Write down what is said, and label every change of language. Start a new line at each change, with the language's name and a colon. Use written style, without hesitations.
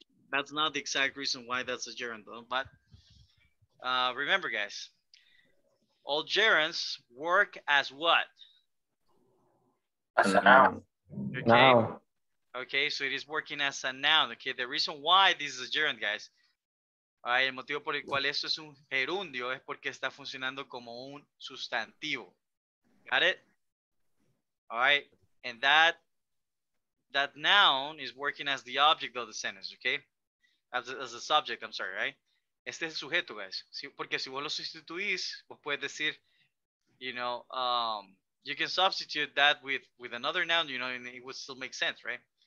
English: That's not the exact reason why that's a gerund, though. But remember, guys, all gerunds work as what? As a noun. Okay. Noun. Okay, so it is working as a noun. Okay, the reason why this is a gerund, guys. All right,
Spanish: el motivo por el cual esto es un gerundio es porque está funcionando como un sustantivo.
English: Got it? All right, and that noun is working as the object of the sentence, okay? As the subject, I'm sorry, right?
Spanish: Este es el sujeto, guys. Si, porque si vos lo sustituís, vos puedes decir,
English: you know, you can substitute that with another noun, you know, and it would still make sense, right?